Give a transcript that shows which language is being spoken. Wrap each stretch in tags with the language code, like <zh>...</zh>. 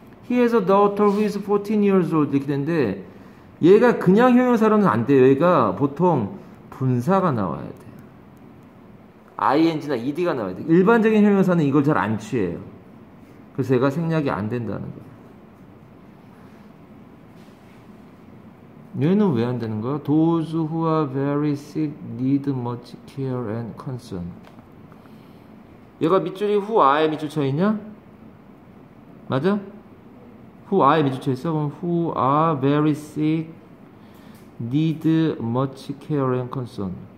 <en>He has a daughter who is 14 years old.</en> <ko>이렇게 되는데, 얘가 그냥 형용사로는 안 돼요. 얘가 보통 분사가 나와야 돼요. ing나 ed가 나와야 돼요. 일반적인 형용사는 이걸 잘 안 취해요. 그래서 얘가 생략이 안 된다는 거예요. 얘는 왜 안 되는 거야?</ko> <en>Those who are very sick need much care and concern.</en> <ko>얘가 밑줄이 who are에 밑줄 쳐 있냐? 맞아? Who are에 밑줄 쳐 있어?</ko> <en>그럼 who are very sick need much care and concern.</en>